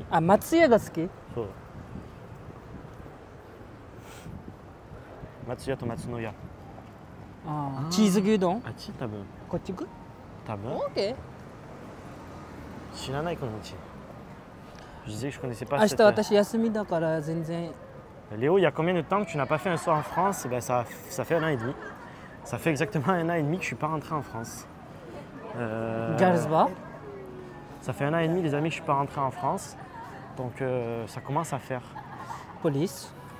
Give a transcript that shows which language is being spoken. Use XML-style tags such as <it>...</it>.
<ja>あ、松屋が好き？そう。松屋と松の屋。ああ。チーズ牛丼？あっち多分。こっち行く？多分。オッケー。 知らないこの家。</ja> <fr>Je disais que je connaissais pas cette...</fr> <ja>明日私休みだから全然。</ja> <fr>Léo, il y a combien de temps que tu n'as pas fait un soir en France? Eh bien, ça fait un an et demi. Ça fait exactement un an et demi que je ne suis pas rentré en France.</fr> <en>Girls Bar?</en> <fr>Ça fait un an et demi, les amis, que je ne suis pas rentré en France. Donc, ça commence à faire.</fr> <en>Police?</en>